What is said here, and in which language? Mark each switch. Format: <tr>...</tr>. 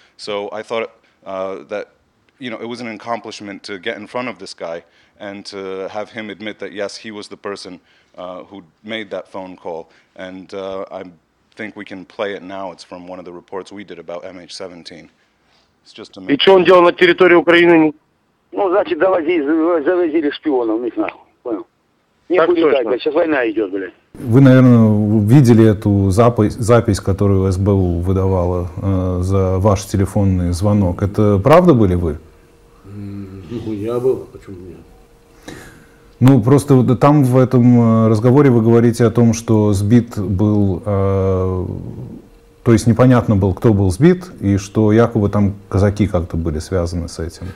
<en>So I thought that, you know, it was an accomplishment to get in front of this guy and to have him admit that, yes, he was the person who made that phone call. And I think we can play it now. It's from one of the reports we did about MH17. It's just amazing.</en> <uk>І що він діяв на території України? Ну, значить, завезли шпіона в них, нахуй.</uk> <ru>Понял?</ru> <uk>Ніхуй не так, зараз війна йде, блядь.</uk> <ru>Ви, наверное, видели эту запись, которую СБУ выдавала за ваш телефонный звонок. Это правда были вы? Нихуя был, почему нет? Ну, просто там в этом разговоре вы говорите о том, что сбит был, то есть непонятно было, кто был сбит, и что якобы там казаки как-то были связаны с этим.</ru>